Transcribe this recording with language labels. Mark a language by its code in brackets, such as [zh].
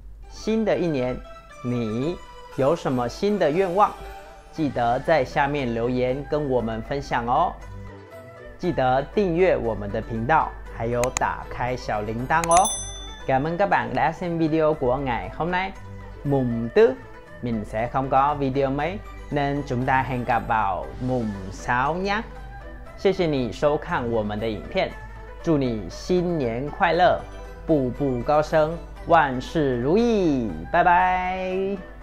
[zh] 新的一年，你有什么新的愿望？记得在下面留言跟我们分享哦。记得订阅我们的频道，还有打开小铃铛哦。 [vi] Cảm ơn các bạn đã xem video của ngày hôm nay. Mùng tư, mình sẽ không có video mới, nên chúng ta hẹn gặp vào mùng sáu nhé. [zh] 谢谢你收看我们的影片，祝你新年快乐，步步高升，万事如意，拜拜。